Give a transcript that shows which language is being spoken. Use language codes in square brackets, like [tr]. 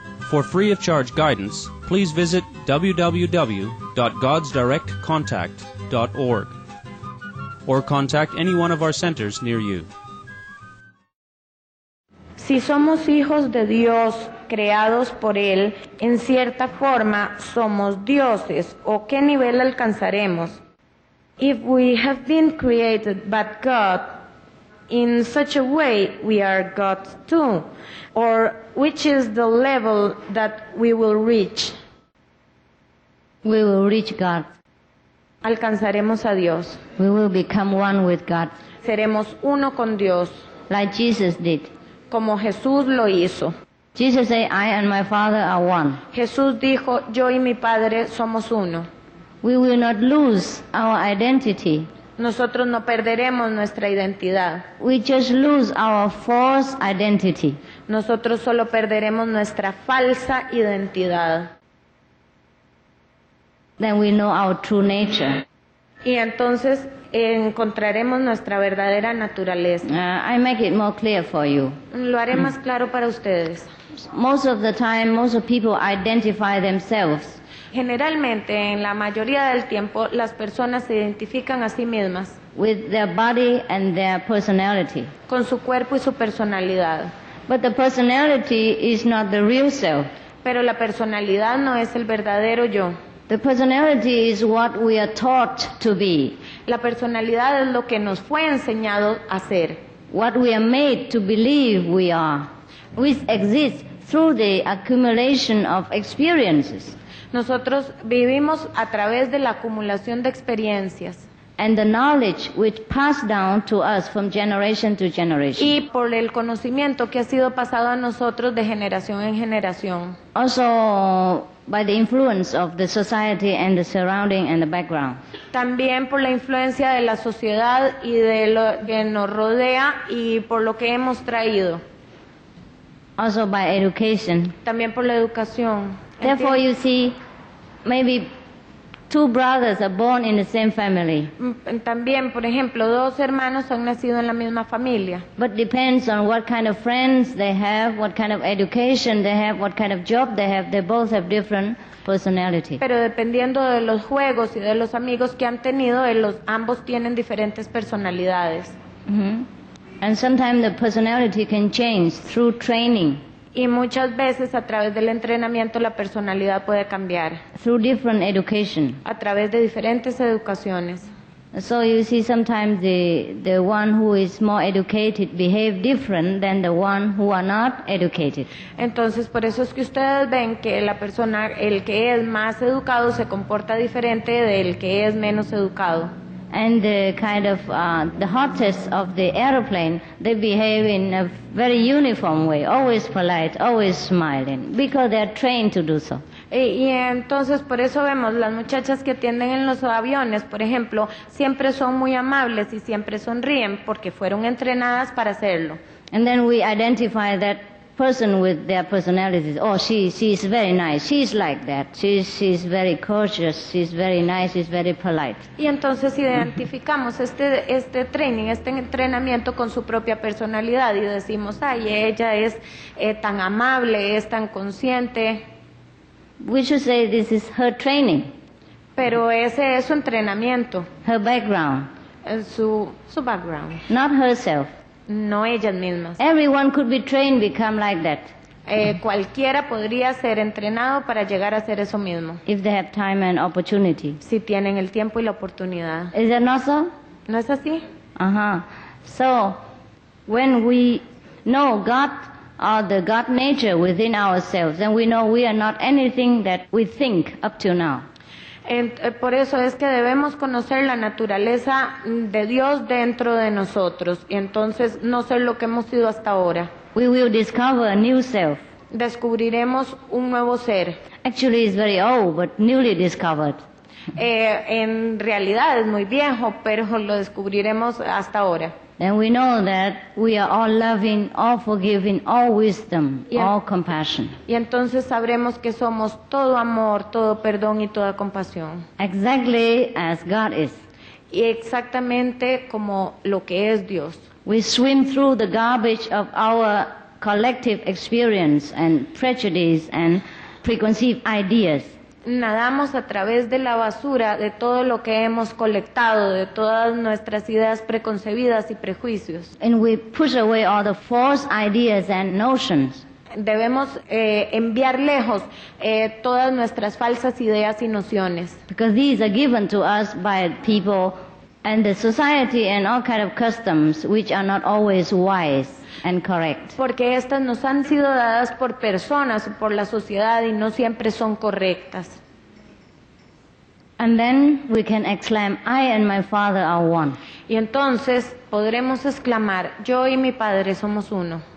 [en] For free of charge guidance, please visit www.godsdirectcontact.org or contact any one of our centers near you. [es] Si somos hijos de Dios, creados por Él, en cierta forma somos dioses, ¿o qué nivel alcanzaremos? [en] If we have been created by God, in such a way we are God too, or which is the level that we will reach? We will reach God. [es] Alcanzaremos a Dios. [en] We will become one with God. [es] Seremos uno con Dios. [en] Like Jesus did. [es] Como Jesús lo hizo. [en] Jesus said, I and my Father are one. [es] Jesús dijo, yo y mi Padre somos uno. [en] We will not lose our identity. [es] Nosotros no perderemos nuestra identidad. [en] We just lose our false identity. [es] Nosotros solo perderemos nuestra falsa identidad. [en] Then we know our true nature. [es] Y entonces encontraremos nuestra verdadera naturaleza. [en] I make it more clear for you. [es] Lo haré más claro para ustedes. [en] Most of the time, most of people identify themselves. [es] Generalmente, en la mayoría del tiempo, las personas se identifican a sí mismas. [en] With their body and their personality. [es] Con su cuerpo y su personalidad. [en] But the personality is not the real self. [es] Pero la personalidad no es el verdadero yo. [en] The personality is what we are taught to be. [es] La personalidad es lo que nos fue enseñado a ser. [en] What we are made to believe we are. Which exists through the accumulation of experiences. [es] Nosotros vivimos a través de la acumulación de experiencias. [en] And the knowledge which passed down to us from generation to generation. [es] Y por el conocimiento que ha sido pasado a nosotros de generación en generación. [en] Also, by the influence of the society and the surrounding and the background. [es] También por la influencia de la sociedad y de lo que nos rodea y por lo que hemos traído. [en] Also by education. [es] También por la educación. [en] Therefore, you see, maybe two brothers are born in the same family. [es] También, por ejemplo, dos hermanos han nacido en la misma familia. [en] But depends on what kind of friends they have, what kind of education they have, what kind of job they have. They both have different personality. [es] Pero dependiendo de los juegos y de los amigos que han tenido, ambos tienen diferentes personalidades. [en] And sometimes the personality can change through training. [es] Y muchas veces a través del entrenamiento la personalidad puede cambiar. [en] Through different education. [es] A través de diferentes educaciones. [en] So you see sometimes the one who is more educated behave different than the one who are not educated. [es] Entonces por eso es que ustedes ven que la persona, el que es más educado se comporta diferente del que es menos educado. [en] And the kind of the hottest of the aeroplane, they behave in a very uniform way, always polite, always smiling, because they are trained to do so. [es] Y entonces por eso vemos las muchachas que atienden en los aviones, por ejemplo, siempre son muy amables y siempre sonríen porque fueron entrenadas para hacerlo. [en] And then we identify that person with their personalities. Oh, she is very nice. She is like that. She's very courteous. She's very nice. She's very polite. [es] Y entonces identificamos este training, este entrenamiento con su propia personalidad y decimos, ay, ella es tan amable, es tan consciente. [en] We should say this is her training. [es] Pero ese es su entrenamiento. [en] Her background. [es] Su background. [en] Not herself. [es] No ellas mismas. [en] Everyone could be trained to become like that. [es] Cualquiera podría ser entrenado para llegar a ser eso mismo. [en] If they have time and opportunity. [es] Si tienen el tiempo y la oportunidad. [en] Is that not so? [es] ¿No es así? Uh-huh. [en] So, when we know God or the God nature within ourselves, then we know we are not anything that we think up to now. [es] Por eso es que debemos conocer la naturaleza de Dios dentro de nosotros y entonces no ser lo que hemos sido hasta ahora. [en] We will discover a new self. [es] Descubriremos un nuevo ser. [en] Actually, it's very old, but newly discovered. [es] En realidad es muy viejo, pero lo descubriremos hasta ahora. [en] Then we know that we are all loving, all forgiving, all wisdom, all compassion. [es] Y entonces sabremos que somos todo amor, todo perdón y toda compasión. [en] Exactly as God is. [es] Y exactamente como lo que es Dios. [en] We swim through the garbage of our collective experience and prejudice and preconceived ideas. [es] Nadamos a través de la basura de todo lo que hemos colectado, de todas nuestras ideas preconcebidas y prejuicios. [en] And we push away all the false ideas and notions. [es] Debemos enviar lejos todas nuestras falsas ideas y nociones. [en] Because these are given to us by people and the society and all kind of customs which are not always wise and correct. [es] Porque estas nos han sido dadas por personas, por la sociedad, y no siempre son correctas. [en] And then we can exclaim, I and my Father are one. [es] Y entonces podremos exclamar, yo y mi Padre somos uno.